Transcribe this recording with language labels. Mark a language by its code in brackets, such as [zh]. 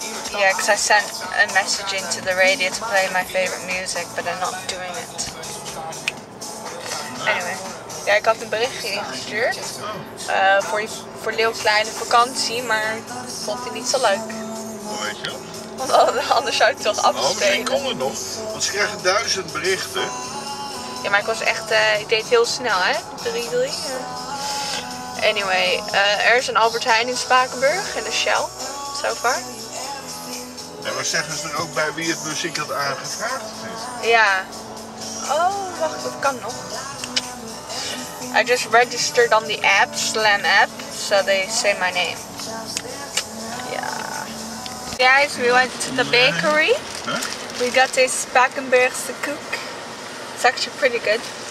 [en] Yeah, because I sent a message into the radio to play my favorite music, but they're not doing it. [nl] Anyway, ja, ik had een berichtje ingestuurd voor Leo kleine vakantie, maar vond hij niet zo leuk. Hoe weet je? Want anders zou ik toch afspelen. Oh, misschien kon het nog, want ze krijgen 1000 berichten. Ja, maar ik was echt, ik deed heel snel, hè? 3-3. Anyway, er is een Albert Heijn in Spakenburg en een Shell, [en] so far. [nl] En wat zeggen ze er ook bij wie het muziek had aangevraagd? Ja. Oh, wacht, dat kan nog. [en] I just registered on the app, Slam app, so they say my name. Yeah. Guys, we went to the bakery. Huh? We got a Spakenburgse koek. It's actually pretty good.